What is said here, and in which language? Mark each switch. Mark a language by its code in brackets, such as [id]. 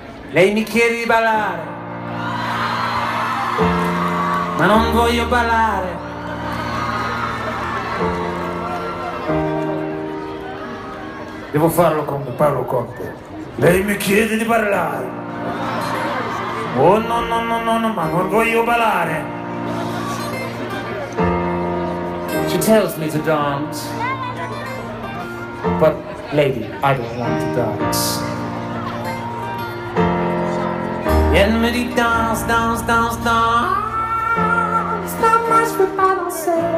[it] Lei mi chiede di ballare, ma non voglio ballare. Devo farlo con te, parlo con te. Lei mi chiede di ballare. Oh no no no no no, ma non voglio ballare. [en] She tells me to dance, but lady, I don't want to dance. [fr] Et elle me dit danse, danse, danse, danse. Non, moi je peux pas danser.